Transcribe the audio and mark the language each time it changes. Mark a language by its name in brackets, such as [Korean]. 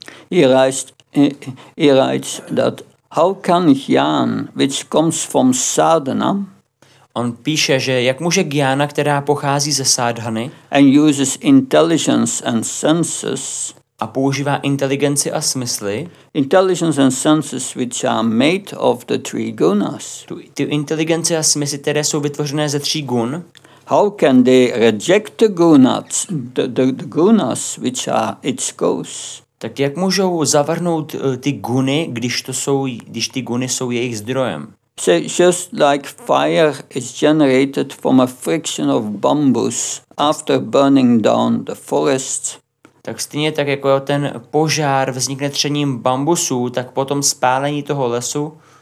[English] He writes that how can jnana, which comes from sadhana, [Czech] on píše, že jak může jnana, která pochází ze sadhany, [English] and uses intelligence and senses, [Czech] a používá inteligenci a smysly, [English] intelligence and senses which are made of the three gunas, [Czech] ty inteligence a smysly, které jsou vytvořené ze tří gun, [English] how can they reject the gunas, the gunas which are its cause? [Czech] Tak jak můžou zavrhnout ty guny, když ty guny jsou jejich zdrojem? [English] So just like fire is generated from a friction of bamboos after burning down the forest. [Czech] Tak stejně tak jako ten požár vznikne třením bambusů, tak potom spálení toho lesu.